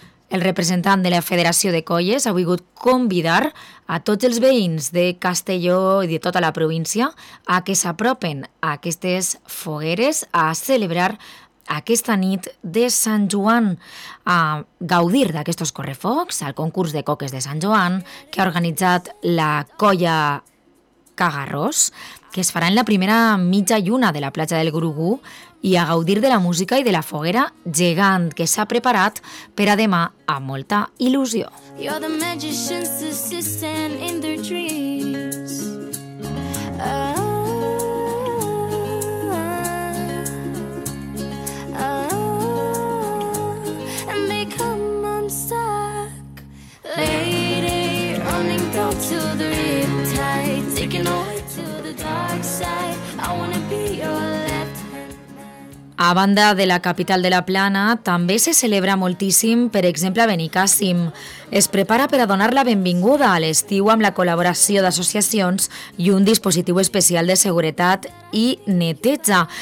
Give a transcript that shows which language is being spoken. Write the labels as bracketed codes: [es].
[ca] El representant de la Federació de Colles ha volgut convidar a tots els veïns de Castelló i de tota la província a que s'apropen a aquestes fogueres a celebrar aquesta nit de Sant Joan, a gaudir d'aquests correfocs, al concurs de coques de Sant Joan, que ha organitzat la colla Cagarrós, que es farà en la primera mitja lluna de la platja del Grugú i a gaudir de la música i de la foguera gegant que s'ha preparat per a demà amb molta il·lusió. [en] You're the magician's assistant in their dreams. And they come unstuck. Lady, running down to the riptide, taking away to the dark side. I wanna be your left hand. [ca] A banda de la capital de la Plana, també se celebra moltíssim, per exemple, a Benicàssim. Es prepara per a donar la benvinguda a l'estiu amb la col·laboració d'associacions i un dispositiu especial de seguretat i neteja.